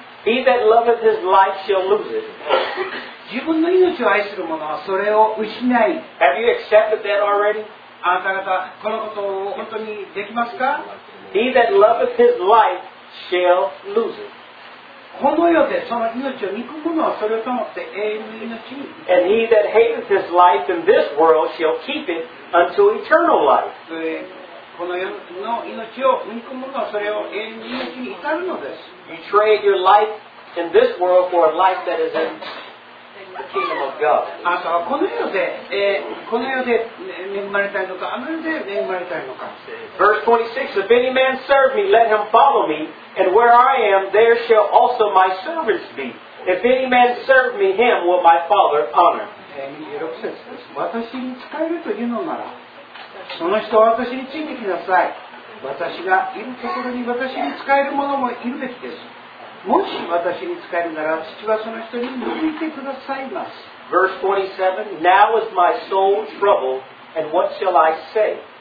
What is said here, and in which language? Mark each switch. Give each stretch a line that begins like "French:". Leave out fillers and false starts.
English: He that loveth his life shall lose it.
Japanese: 自分の命を愛する者はそれを失い。
English: Have you accepted that already?
Japanese: あなた方このことを本当にできますか?
English: He that loveth his life shall lose it.
Japanese: この世でその命を憎む者はそれを保って永遠の命に。
English: And he that hateth his life in this world shall keep it unto eternal life.
Japanese: この世の命を憎む者はそれを永遠の命に至るのです。
English: You trade your life in this world for a life that is in the kingdom of God.
Japanese: あなたはこの世で、この世で恵まれたいのか、あの世で恵まれたいのか。
English: Verse 26, If any man serve me, let him follow me, and where I am, there shall also my servants be. If any man serve me, him will my Father honor.
Japanese: 私に仕えるというのなら、その人は私についてきなさい。私がいるところに私に使える者もいるべきです。もし私に使えるなら、父はその人に向いてくださいます。
English: Verse 27, Now is my soul troubled, and what shall I say?